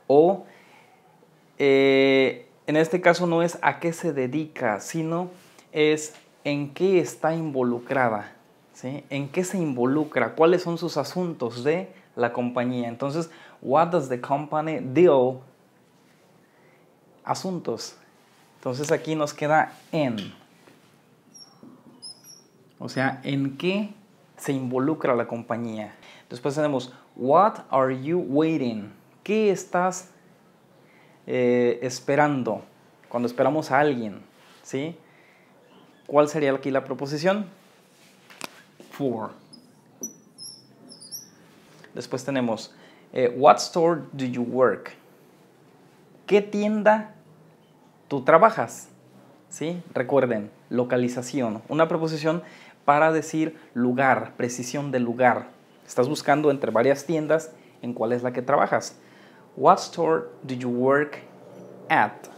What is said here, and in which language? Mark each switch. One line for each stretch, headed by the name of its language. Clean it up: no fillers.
Spanish: O en este caso no es a qué se dedica, sino es en qué está involucrada, ¿sí? ¿En qué se involucra? ¿Cuáles son sus asuntos de la compañía? Entonces,
English: what does the company deal?
Spanish: Asuntos. Entonces aquí nos queda en. O sea, ¿en qué se involucra la compañía? Después tenemos,
English: what are you waiting?
Spanish: ¿Qué estás esperando cuando esperamos a alguien? ¿Sí? ¿Cuál sería aquí la preposición?
English: For.
Spanish: Después tenemos,
English: what store do you work?
Spanish: ¿Qué tienda tú trabajas? ¿Sí? Recuerden, localización. Una preposición para decir lugar, precisión de lugar. Estás buscando entre varias tiendas en cuál es la que trabajas.
English: What store do you work at?